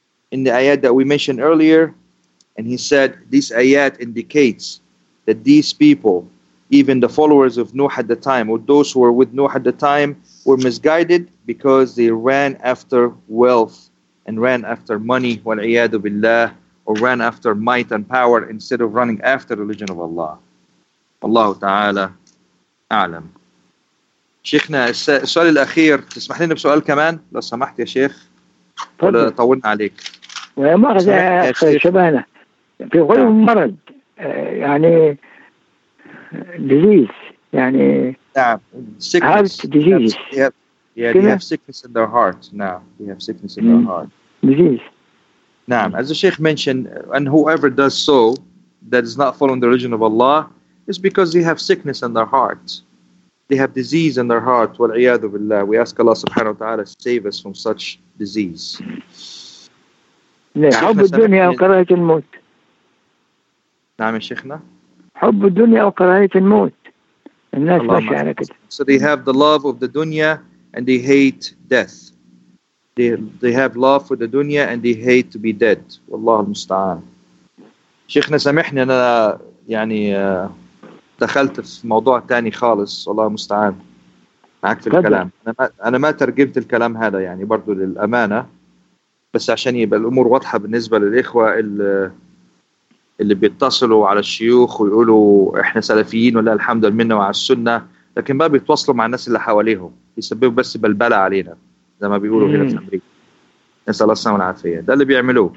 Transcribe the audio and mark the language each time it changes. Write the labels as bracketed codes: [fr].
[en] in the ayat that we mentioned earlier, and he said, this ayat indicates that these people, even the followers of Noah at the time, or those who were with Noah at the time, were misguided because they ran after wealth and ran after money, wal'iyadu billah, or ran after might and power instead of running after the religion of Allah. [ar] الله تعالى أعلم. شيخنا السؤال الأخير تسمح لنا بسؤال كمان لو سمحت يا شيخ. طبعا. طولنا عليك. مرض يا أخي شبهنا في غير مرض يعني ديزيز يعني. نعم. [en] Heart disease. Yeah, they have sickness in their heart. Now they have sickness in their heart. Disease. [ar] نعم. [en] As the Sheikh mentioned, and whoever does so that is not following the religion of Allah, it's because they have sickness in their heart. They have disease in their heart. Wal'iyadu billah. We ask Allah subhanahu wa ta'ala to save us from such disease. [ar] حب الدنيا وكراهية الموت. نعم يا شيخنا. حب الدنيا وكراهية الموت. الناس ماشي على كده. [en] So they have the love of the dunya and they hate death. They have love for the dunya and they hate to be dead. Wallahu musta'an. [ar] شيخنا سامحني أنا يعني دخلت في موضوع تاني خالص والله مستعان معك في الكلام أنا ما ترجمت الكلام هذا يعني برضو للأمانة بس عشان يبقى الأمور واضحة بالنسبة للإخوة اللي بيتصلوا على الشيوخ ويقولوا إحنا سلفيين ولا الحمد لله منا وعلى السنة لكن ما بيتواصلوا مع الناس اللي حواليهم يسببوا بس بلبلة علينا زي ما بيقولوا هنا في أمريكا نسأل الله السلامة والعافية ده اللي بيعملوه